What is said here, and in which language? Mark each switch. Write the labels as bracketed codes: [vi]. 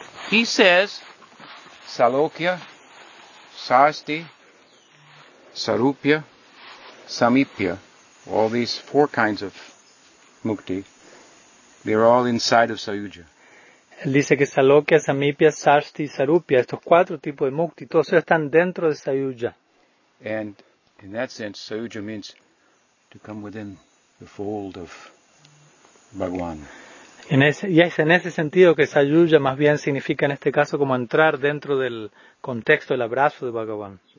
[en] He says, Salokya, Sasti, Sarupya, Samipya, all these four kinds of mukti, they're all inside of Sayuja. [es] Él dice que Salokya, Samipya, Sasti y Sarupya, estos cuatro tipos de mukti, todos ellos están dentro de Sayuja. [en] And in that sense, Sayuja means to come within the fold of Bhagwan. [es] Y es en ese sentido que Sayuja más bien significa en este caso como entrar dentro del contexto, del abrazo de Bhagavan.